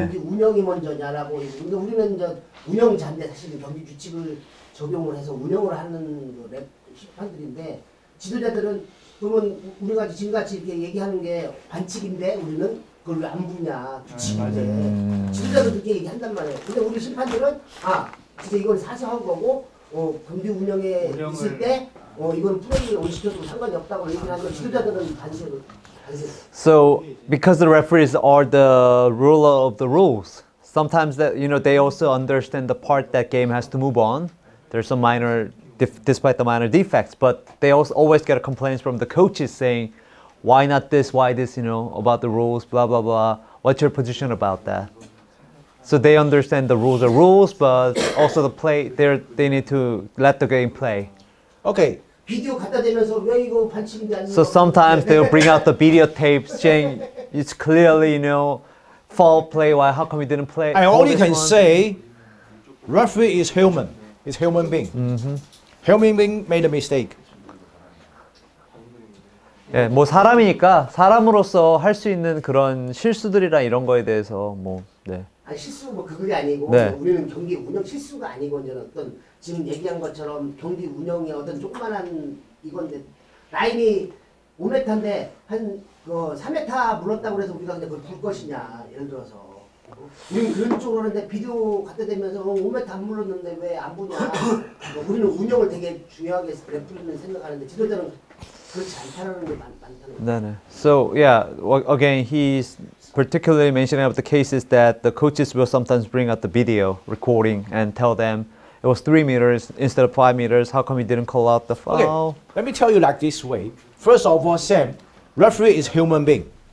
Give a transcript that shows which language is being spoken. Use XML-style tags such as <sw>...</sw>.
<ko>경기 운영이 먼저냐라고. 근데 우리는 이제 운영자인데 사실 경기 규칙을 적용을 해서 운영을 하는 그 심판들인데 지도자들은 그러면 우리가 지금같이 이렇게 얘기하는 게 반칙인데 우리는 그걸 안 보냐, 규칙인데 지도자들도 그렇게 얘기한단 말이에요. 근데 우리 심판들은 아, 이제 이건 사정한 거고 경기 운영에 운영을... 있을 때 이건 플레이를 온 시켜도 상관이 없다고 얘기를 하는 지도자들은 반칙을</ko> <en>So, because the referees are the ruler of the rules, sometimes that you know they also understand the part that game has to move on. There's some minor, despite the minor defects, but they also always get complaints from the coaches saying, "Why not this? Why this? You know about the rules? Blah blah blah. What's your position about that?" So they understand the rules are rules, but also the play. They need to let the game play. Okay.</en> <ko>비디오 갖다 대면서 왜 이거 반칙인데 아니면</ko> <en>So sometimes they'll bring out the videotape saying it's clearly, you know, foul play. Why? How come you didn't play? I only can say referee is human. It's human being. Mm-hmm. Human being made a mistake.</en> <ko>예, 뭐 사람이니까 사람으로서 할 수 있는 그런 실수들이나 이런 거에 대해서 뭐 네. 아 실수 뭐 그게 아니고 네. 우리는 경기 운영 실수가 아니고 어떤 지금 얘기한 것처럼 경기 운영이 어떤 조그만한 이건데 라인이 5m인데 한 그 4m 물었다고 해서 우리가 그걸 볼 것이냐 예를 들어서 우리는 그런 쪽으로 하는데 비디오 갖다 대면서 5m 안 물었는데 왜 안 보냐 우리는 운영을 되게 중요하게 레플리는 생각하는데 지도자는 그렇지 않다는 게 많다는 거죠</ko> <en>So yeah, again he's particularly mentioning about the cases that the coaches will sometimes bring out the video recording and tell them It was 3 meters instead of 5 meters. How come he didn't call out the foul? Okay, let me tell you like this way. First of all, Sam, referee is human being.</en>